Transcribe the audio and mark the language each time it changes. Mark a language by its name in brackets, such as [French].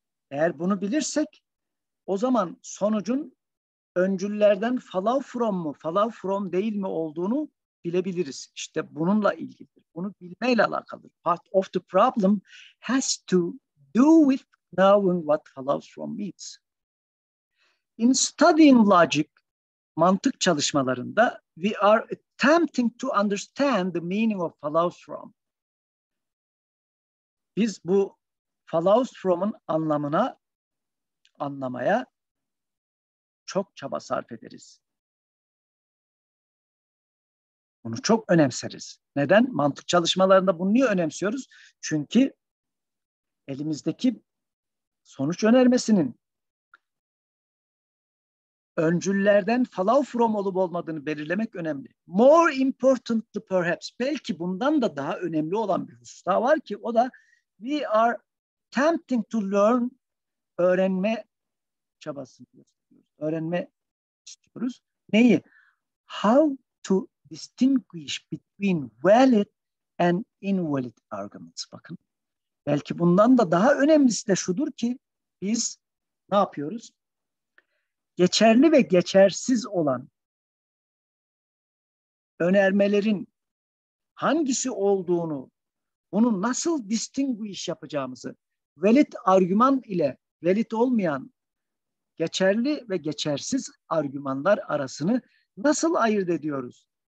[Turkish] Eğer bunu bilirsek o zaman sonucun öncüllerden follow from mu, follow from değil mi olduğunu bilebiliriz. İşte bununla ilgilidir. Bunu bilmeyle alakalıdır. [English] Part of the problem has to do with knowing what follows from means. In studying logic, [Turkish] mantık çalışmalarında [English] we are attempting to understand the meaning of follows from. [Turkish] Biz bu follows from'un anlamaya çok çaba sarf ederiz. Bunu çok önemseriz. Neden? Mantık çalışmalarında bunu niye önemsiyoruz? Çünkü elimizdeki sonuç önermesinin öncüllerden follow from olup olmadığını belirlemek önemli. [English] More importantly perhaps, [Turkish] belki bundan da daha önemli olan bir husus daha var ki o da [English] we are attempting to learn, [Turkish] öğrenme çabasını gösteriyoruz. Öğrenme istiyoruz. Neyi? [English] How to distinguish between valid and invalid arguments. [Turkish] Bakın, belki bundan da daha önemlisi de şudur ki biz ne yapıyoruz? Geçerli ve geçersiz olan önermelerin hangisi olduğunu bunu nasıl distinguish yapacağımızı, valid argüman ile valid olmayan, geçerli ve geçersiz argümanlar arasını nasıl ayırt ediyoruz?